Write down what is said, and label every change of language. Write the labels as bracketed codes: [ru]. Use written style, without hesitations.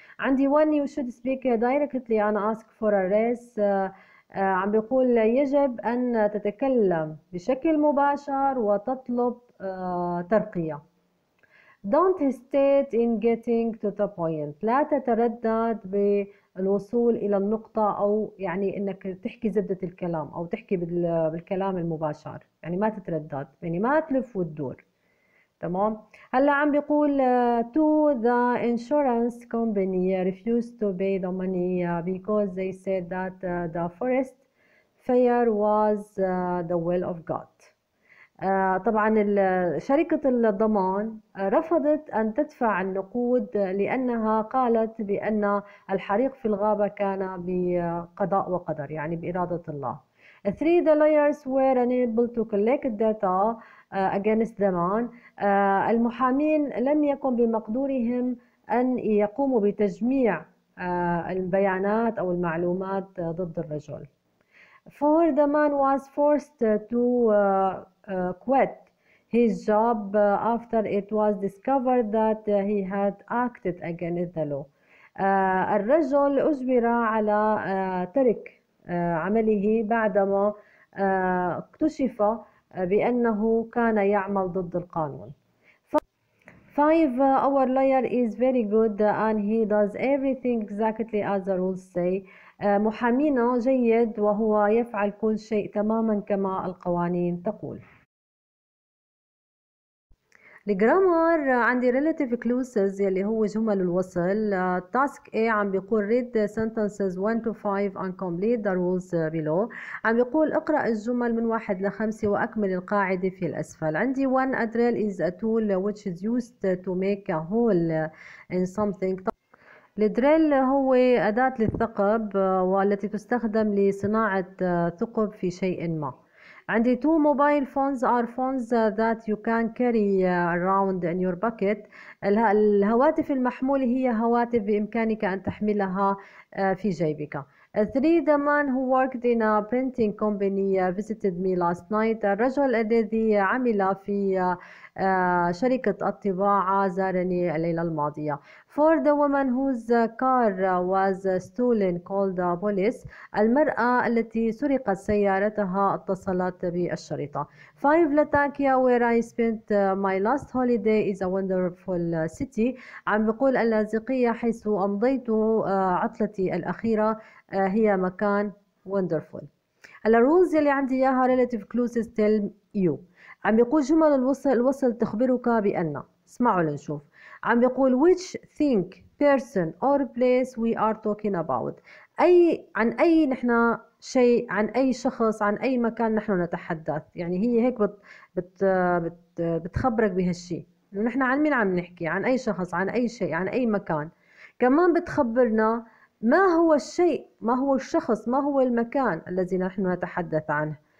[en] عندي when you should speak directly and ask for a raise، [ar] عم بيقول يجب أن تتكلم بشكل مباشر وتطلب ترقية. [en] Don't hesitate in getting to the point، [ar] لا تتردد بالوصول إلى النقطة أو يعني إنك تحكي زبدة الكلام أو تحكي بالكلام المباشر، يعني ما تتردد، يعني ما تلف وتدور. تمام. هلا عم بيقول [en] to the insurance company refused to pay the money because they said that the forest fire was the will of God. [ar] طبعا شركة الضمان رفضت أن تدفع النقود لأنها قالت بأن الحريق في الغابة كان بقضاء وقدر، يعني بإرادة الله. [en] Three the lawyers were unable to collect data against them. [ar] المحامين لم يكن بمقدورهم أن يقوموا بتجميع البيانات أو المعلومات ضد الرجل. [en] For the man was forced to quit his job after it was discovered that he had acted against the law. [ar] الرجل أجبر على ترك عمله بعدما اكتشف بأنه كان يعمل ضد القانون. [en] Five, our lawyer is very good and he does everything exactly as the rules say. [ar] محامينا جيد وهو يفعل كل شيء تماما كما القوانين تقول. الجرامر عندي [en] relative clauses [ar] يلي هو جمل الوصل. [en] task A [ar] عم بيقول [en] read the sentences 1 to 5 and complete the rules below. [ar] عم بيقول اقرأ الجمل من 1 ل 5 واكمل القاعدة في الأسفل. [en] عندي 1 a drill is a tool which is used to make a hole in something. [ar] الدريل هو أداة للثقب والتي تستخدم لصناعة ثقب في شيء ما. [en] عندي two mobile phones are phones that you can carry around in your pocket. [ar] الهواتف المحمولة هي هواتف بإمكانك أن تحملها في جيبك. [en] Three, the man who worked in a printing company visited me last night. [ar] الرجل الذي عمل في شركة الطباعة زارني الليلة الماضية. [en] For the woman whose car was stolen called the police. [ar] المرأة التي سرقت سيارتها اتصلت بالشرطة. [en] Five, Latakia where I spent my last holiday is a wonderful city. [ar] عم بيقول اللاذقية حيث أمضيت عطلتي الأخيرة هي مكان wonderful. الرولز اللي عندي إياها [en] relative clauses tell you. [ar] عم بيقول جمل الوصل تخبرك بأن، اسمعوا لنشوف. عم بيقول [en] which thing, person or place we are talking about. [ar] أي عن أي نحن شيء، عن أي شخص، عن أي مكان نحن نتحدث. يعني هي هيك بتخبرك بهالشيء. نحن عن مين عم نحكي؟ عن أي شخص، عن أي شيء، عن أي مكان. كمان بتخبرنا ما هو الشيء، ما هو الشخص، ما هو المكان الذي نحن نتحدث عنه.